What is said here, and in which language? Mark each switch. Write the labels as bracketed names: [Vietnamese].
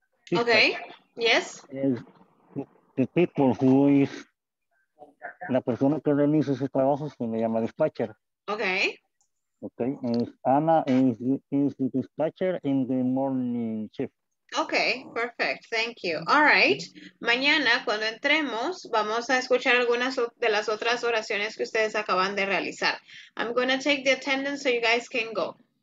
[English] Okay. Yes. Is the people who is [Spanish] la persona que realiza ese trabajo se le llama dispatcher. [English] Okay. Okay. And Anna is the dispatcher in the morning shift. Okay, perfect. Thank you. All right. [Spanish] Mañana, cuando entremos, vamos a escuchar algunas de las otras oraciones que ustedes acaban de realizar. [English] I'm going to take the attendance so you guys can go.